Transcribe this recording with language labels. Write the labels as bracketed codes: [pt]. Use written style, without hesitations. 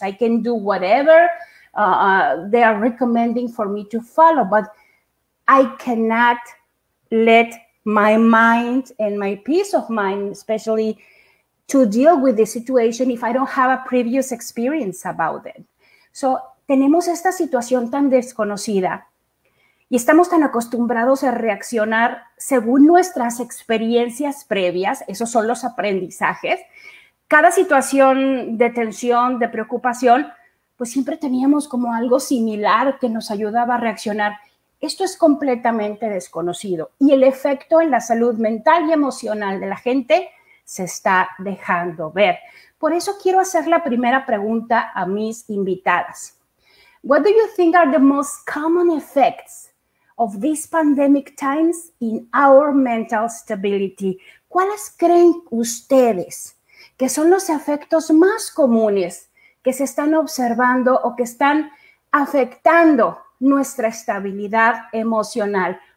[en] I can do whatever they are recommending for me to follow, but I cannot let my mind and my peace of mind, especially to deal with the situation if I don't have a previous experience about it. [es] So, tenemos esta situación tan desconocida y estamos tan acostumbrados a reaccionar según nuestras experiencias previas, esos son los aprendizajes. Cada situación de tensión, de preocupación, pues siempre teníamos como algo similar que nos ayudaba a reaccionar. Esto es completamente desconocido y el efecto en la salud mental y emocional de la gente se está dejando ver. Por eso quiero hacer la primera pregunta a mis invitadas. [en] What do you think are the most common effects of these pandemic times in our mental stability? [es] ¿Cuáles creen ustedes que son los efectos más comunes que se están observando o que están afectando nuestra estabilidad emocional?